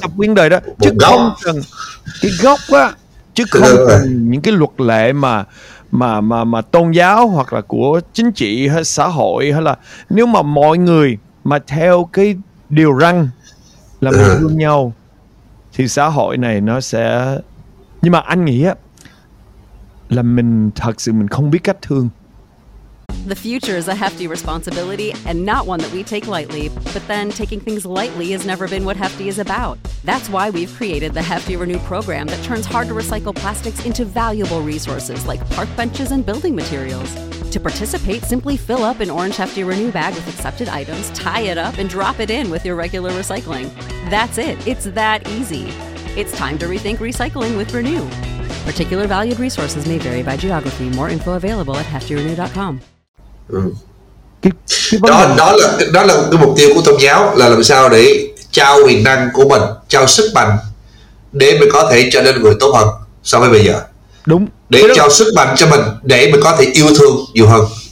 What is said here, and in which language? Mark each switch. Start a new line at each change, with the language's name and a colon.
Vietnamese: Tập nguyên đời đó, chứ không cần cái gốc á, chứ không cần những cái luật lệ mà tôn giáo hoặc là của chính trị hay xã hội, hay là nếu mà mọi người mà theo cái điều răn là mình thương nhau thì xã hội này nó sẽ. Nhưng mà anh nghĩ á, là mình thật sự mình không biết cách thương.
English: The future is a hefty responsibility and not one that we take lightly, but then taking things lightly has never been what Hefty is about. That's why we've created the Hefty Renew program that turns hard to recycle plastics into valuable resources like park benches and building materials. To participate, simply fill up an orange Hefty Renew bag with accepted items, tie it up, and drop it in with your regular recycling. That's it. It's that easy. It's time to rethink recycling with Renew. Particular valued resources may vary by geography. More info available at heftyrenew.com.
Vietnamese: Đó là cái mục tiêu của tôn giáo, là làm sao để trao quyền năng của mình, trao sức mạnh để mình có thể trở nên người tốt hơn so với bây giờ. Đúng. Để trao sức mạnh cho mình để mình có thể yêu thương nhiều hơn.